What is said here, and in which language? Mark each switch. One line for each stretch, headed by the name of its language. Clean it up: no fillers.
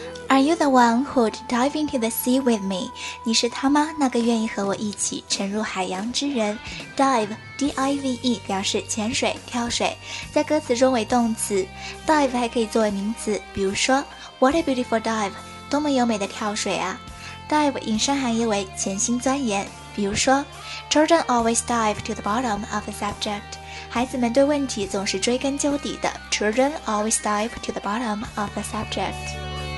English: Are you the one who'd dive into the sea with me?
Chinese: 你是他吗？那个愿意和我一起沉入海洋之人。 Dive, D-I-V-E, 表示潜水、跳水，在歌词中为动词。 Dive 还可以作为名词，比如说
English: What a beautiful dive,
Chinese: 多么优美的跳水啊。
English: Dive
Chinese: 引申含义为潜心钻研，比如说
English: Children always dive to the bottom of a subject.
Chinese: 孩子们对问题总是追根究底的。
English: Children always dive to the bottom of a subject.